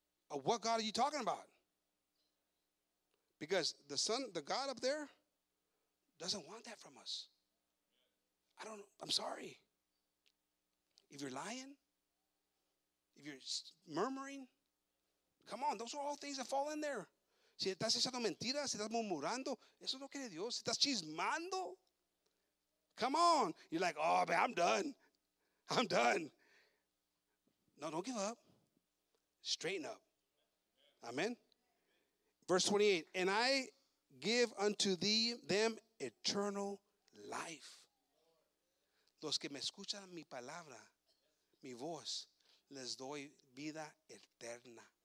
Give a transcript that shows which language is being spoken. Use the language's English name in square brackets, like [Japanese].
[English] What God are you talking about? Because the son, the God up there doesn't want that from us. I'm sorry. If you're lying, if you're murmuring, come on, those are all things that fall in there. [Spanish] Si estás echando mentiras, si estás murmurando, eso no quiere Dios. Si estás chismando, [English] come on. You're like, oh, man, I'm done. No, don't give up. Straighten up. Amen. Verse 28. And I give unto thee them eternal life. [Spanish] Los que me escuchan mi palabra, mi voz, les doy vida eterna.